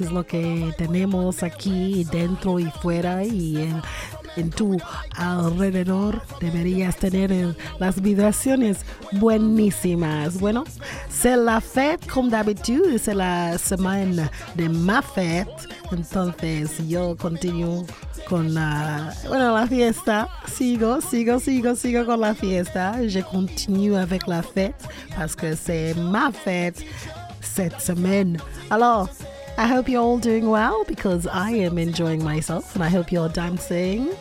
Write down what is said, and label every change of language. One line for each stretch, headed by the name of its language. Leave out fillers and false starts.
Spanish: Es lo que tenemos aquí dentro y fuera y en tu alrededor. Deberías tener las vibraciones buenísimas.
French: Bueno, c'est la fête, comme d'habitude, c'est la semaine de ma fête.
Spanish: Entonces, yo continúo con la fiesta. Sigo con la fiesta.
French: Je continue avec la fête, parce que c'est ma fête cette semaine.
English: Alors, I hope you're all doing well, because I am enjoying myself, and I hope you're dancing.